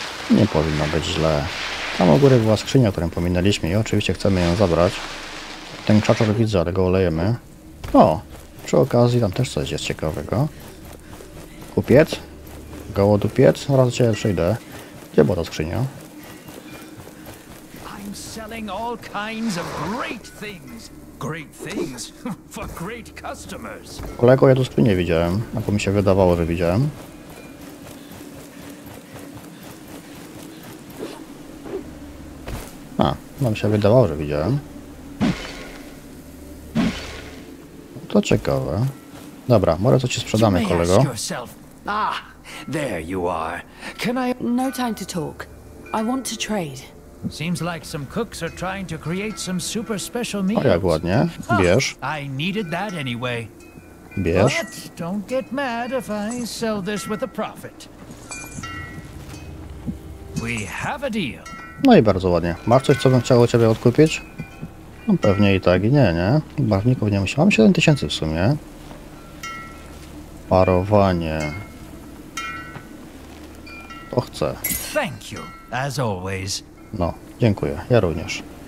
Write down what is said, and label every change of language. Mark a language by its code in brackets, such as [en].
[pl] Nie powinno być źle. Tam u góry była skrzynia, którą pominęliśmy i oczywiście chcemy ją zabrać. Ten krzaczor widzę, ale go olejemy. O, przy okazji tam też coś jest ciekawego. Kupiec? Gołodupiec? Zaraz do ciebie przyjdę. Gdzie była ta skrzynia? [en] I'm selling all kinds of great things. Great things for great customers. [pl] Kolego, ja tu skrzynię widziałem, albo mi się wydawało, że widziałem. A, nam się wydawało, że widziałem. To ciekawe. Dobra, może coś ci sprzedamy, kolego. [en] Ah, there you are. Can I... No time to talk. I want to trade. Seems like some cooks are trying to create some super special meals. [pl] O, jak ładnie. Bierz. [en] I needed that anyway. [pl] Bierz. [en] But don't get mad if I sell this with a profit. We have a deal. [pl] No i bardzo ładnie. Masz coś, co bym chciał u ciebie odkupić? No pewnie i tak, i nie, nie? Barwników nie musiałem. Mam 7000 w sumie. Parowanie. To chcę. [en] Thank you, as always. [pl] No, dziękuję. Ja również.